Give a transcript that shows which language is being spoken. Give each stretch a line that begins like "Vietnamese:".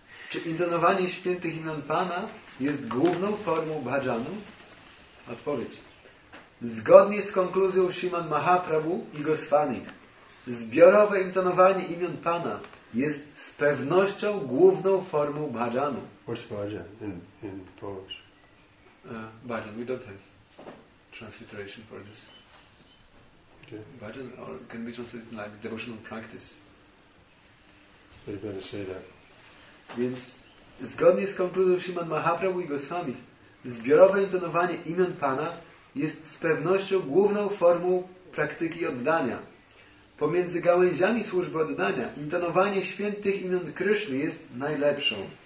Polish: Czy intonowanie świętych imion Pana jest główną formą bhajanu? Odpowiedź. Zgodnie z konkluzją Śrimad Mahaprabhu i Goswami, zbiorowe intonowanie imion Pana jest z pewnością główną formą bhajanu.
English: What's bhajan in Polish? Bhajan, we don't have transliteration for this. Okay. Bhajan or can be translated like devotional practice. You better say that.
Polish: Więc zgodnie z konkluzją Śrimad Mahaprabhu i Goswami, zbiorowe intonowanie imion Pana jest z pewnością główną formą praktyki oddania. Pomiędzy gałęziami służby oddania intonowanie świętych imion Kryszny jest najlepszą.